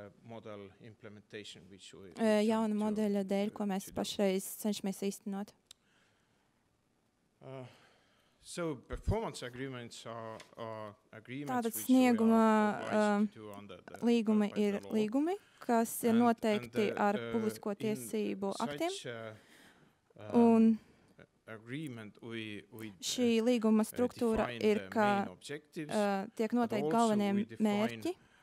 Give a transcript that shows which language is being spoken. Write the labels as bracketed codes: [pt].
[en] Model implementation which we [lv] jauna modeļa dēļ, ko mēs pašreiz cenšamies īstenot. [en] So performance agreements are agreements [lv] tātad snieguma līgumi ir līgumi, kas ir noteikti ar publisko tiesību aktiem. Un [en] agreement we [lv] šī līguma struktūra ir, ka tiek noteikti galvenie mērķi.